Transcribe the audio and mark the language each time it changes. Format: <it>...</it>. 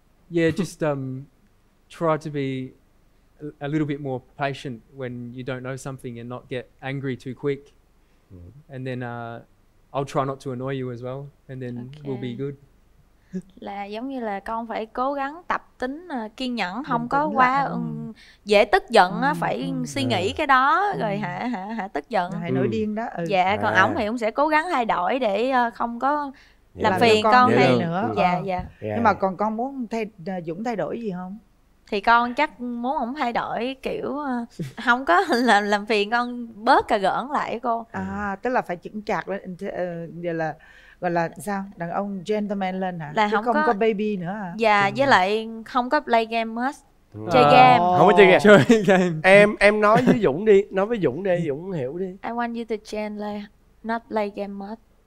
<en>Just try to be a little bit more patient when you don't know something and not get angry too quick. And then I'll try not to annoy you as well, and then we'll be good.</en> <vi>Là giống như là con phải cố gắng tập tính kiên nhẫn, không có quá dễ tức giận á, phải suy nghĩ cái đó rồi hả tức giận. Hay nổi điên đó. Dạ, còn ổng thì ổng sẽ cố gắng thay đổi để không có làm phiền con hay nữa. Nhưng mà còn con muốn Dũng thay đổi gì không? Thì con chắc muốn ổng thay đổi kiểu không có làm phiền con, bớt cà gỡn lại cô. Tức là phải chững chạc lên, gọi là sao, đàn ông gentleman lên hả? Là chứ không có baby nữa à? Dạ, với lại không có</vi> <en>play game much.</en> <vi>Chơi game. Không có chơi game. Chơi game. Em nói với Dũng đi, nói với Dũng đi, Dũng hiểu đi.</vi> <en>I want you to change, like not play game much.</en>